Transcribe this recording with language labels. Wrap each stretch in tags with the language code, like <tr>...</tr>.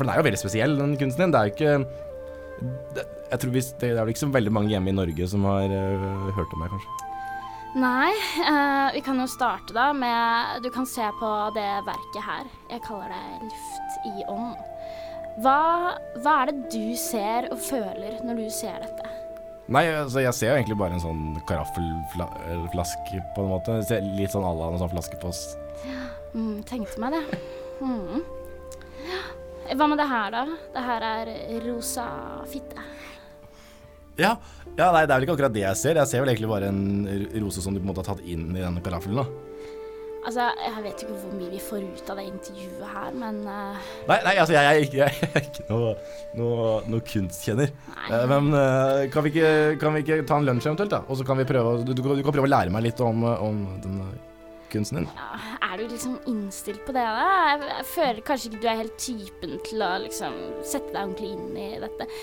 <no>For den jo veldig spesiell, den kunsten din. Det jo ikke, jeg tror hvis, det jo liksom veldig mange hjemme i Norge som har hørt om meg, kanskje. Nei, vi kan jo starte da med, du kan se på det verket her. Jeg kaller det luft i ånd. Hva er det du ser og føler når du ser dette?</no> <sv>Nej, så jag ser egentligen bara en sån karaffelflaska på något sätt. Det ser lite sån alla någon sån flaska på. Oss. Mm, tänkte mig det. Mm. Ja. Vad med det här då? Det här är rosa fitta. Ja. Ja, nej, det är väl inte akkurat det jag ser. Jag ser väl egentligen bara en rosa som du på något sätt har tagit in i den karaffeln då.</sv> <no>Altså, jeg vet ikke hvor mye vi får ut av det intervjuet her, men... Nei, nei, altså, jeg er ikke noe kunstkjenner. Men kan vi ikke ta en lunsj eventuelt, da? Og så kan vi prøve, du kan prøve å lære meg litt om denne kunsten din. Ja, du liksom innstillt på det, da? Jeg føler kanskje ikke du helt typen til å liksom sette deg ordentlig inn i dette.</no>